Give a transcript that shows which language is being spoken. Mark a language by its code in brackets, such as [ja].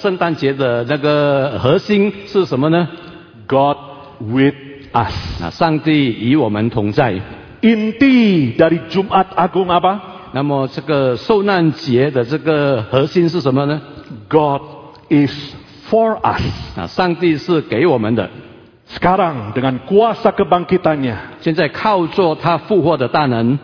[zh] 那星期五我说呢，那个圣诞节的那个核心是什么呢？ [en] God with us. [zh] 上帝与我们同在. [id] Inti dari Jumat Agung apa? [zh] 那么这个受难节的这个核心是什么呢？ [en] God is for us. [zh] 上帝是给我们的。 [id] Sekarang dengan kuasa kebangkitannya, [zh] 现在靠着他复活的大能,